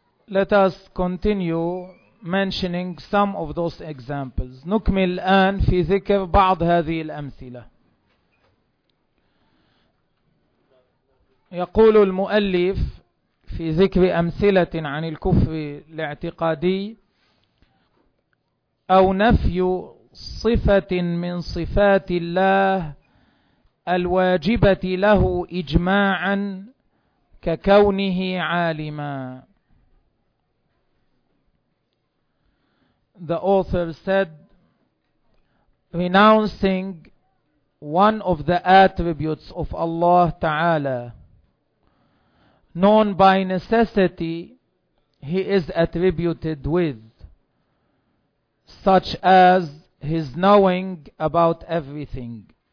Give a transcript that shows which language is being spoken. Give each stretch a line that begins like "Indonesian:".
English: Let us continue mentioning some of those examples.
Arabic: نكمل الآن في ذكر بعض هذه الأمثلة. يقول المؤلف في ذكر أمثلة عن الكفر الاعتقادي أو نفي صفة من صفات الله الواجبة له إجماعا ككونه عالما.
English: The author said, renouncing one of the attributes of Allah Ta'ala, known by necessity, he is attributed with, such as his knowing about everything.